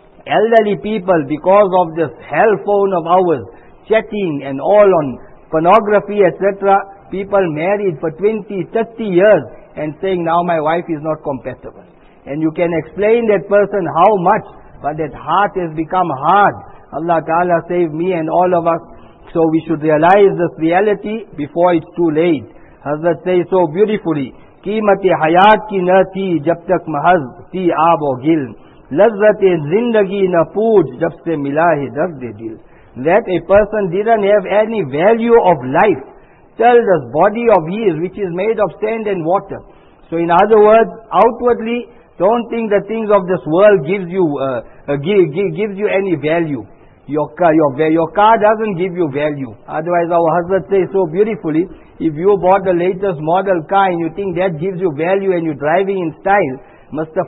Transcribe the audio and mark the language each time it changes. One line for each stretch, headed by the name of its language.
English: Elderly people, because of this hell phone of ours, chatting and all on pornography, etc., people married for 20, 30 years and saying, now my wife is not compatible. And you can explain that person how much, but that heart has become hard. Allah Ta'ala save me and all of us. So we should realize this reality before it's too late. Hazrat says so beautifully,
Urdu: قیمتِ حیات کی نہ تھی جب تک محض تھی آب و گل لذتِ زندگی نہ پوچھ جب سے ملا ہے دردِ دل.
English: That a person didn't have any value of life till this body of his, which is made of sand and water. So in other words, outwardly, don't think the things of this world gives you any value. Your car doesn't give you value. Otherwise our Hazrat says so beautifully, if you bought the latest model car and you think that gives you value and you're driving in style, Mr.